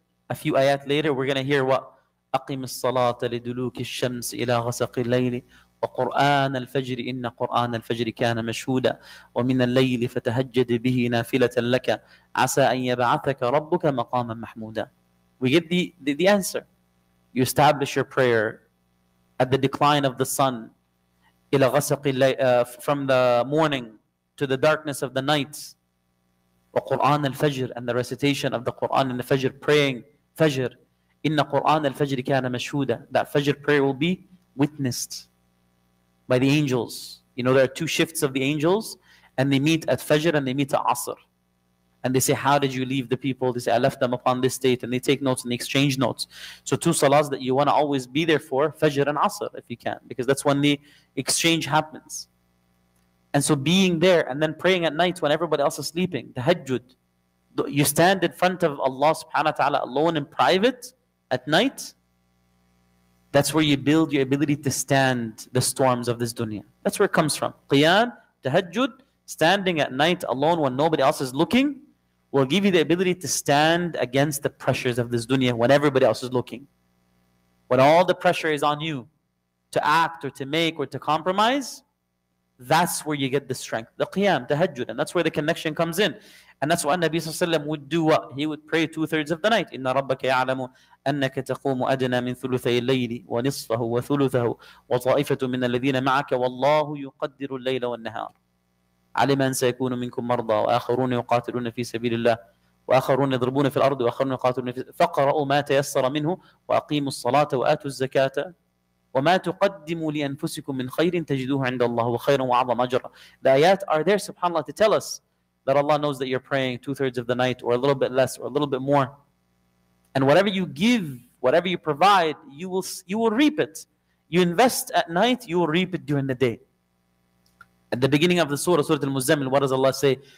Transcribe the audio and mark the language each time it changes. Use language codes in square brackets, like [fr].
[en] A few ayat later, we're going to hear what? [ar] أقم الصلاة لدلوك الشمس إلى غسق الليل وقرآن الفجر إن قرآن الفجر كان مشهودا ومن الليل فتهجد به نافلة لك عسى أن يبعثك ربك مقاما محمودا. [en] We get the answer. You establish your prayer at the decline of the sun, [ar] إلى غسق الليل, [en] from the morning to the darkness of the night, [ar] وقرآن الفجر, [en] and the recitation of the Quran in the Fajr, praying Fajr. [ar] إن قرآن الفجر كان مشهودا. [en] That Fajr prayer will be witnessed by the angels. You know, there are two shifts of the angels, and they meet at Fajr and they meet at Asr. And they say, how did you leave the people? They say, I left them upon this date. And they take notes and they exchange notes. So two salahs that you want to always be there for, Fajr and Asr, if you can, because that's when the exchange happens. And so being there and then praying at night when everybody else is sleeping, tahajjud. You stand in front of Allah subhanahu wa ta'ala alone in private at night. That's where you build your ability to stand the storms of this dunya. That's where it comes from. Qiyam, tahajjud, standing at night alone when nobody else is looking, will give you the ability to stand against the pressures of this dunya when everybody else is looking. When all the pressure is on you to act or to make or to compromise, that's where you get the strength. The qiyam, tahajjud, and that's where the connection comes in. And that's why Nabi Sallallahu Alaihi Wasallam would do what? He would pray two-thirds of the night. [ar] إِنَّ رَبَّكَ يَعْلَمُ أَنَّكَ تَقُومُ أَدْنَى مِنْ ثُلُثَيِ اللَّيْلِ وَنِصْفَهُ وَثُلُثَهُ وَطَائِفَةٌ مِنَ الَّذِينَ مَعَكَ وَاللَّهُ يُقَدِّرُ اللَّيْلَ وَالنَّهَارَ عَلِمَ أَنْ سَيَكُونُ مِنْكُمْ مَرْضَى وَآخَرُونَ يُقَاتِلُونَ فِي سَبِيلِ اللَّهِ وآخرون يضربون في الأرض وآخرون يقاتلون في فقرأوا ما تيسر منه وأقيموا الصلاة وآتوا الزكاة وما تقدموا لأنفسكم من خير تجدوه عند الله وخيرا وأعظم أجرا. [en] The ayat are there, subhanAllah, to tell us that Allah knows that you're praying two-thirds of the night or a little bit less or a little bit more. And whatever you give, whatever you provide, you will reap it. You invest at night, you will reap it during the day. At the beginning of the surah, Surah Al-Muzzammil, what does Allah say?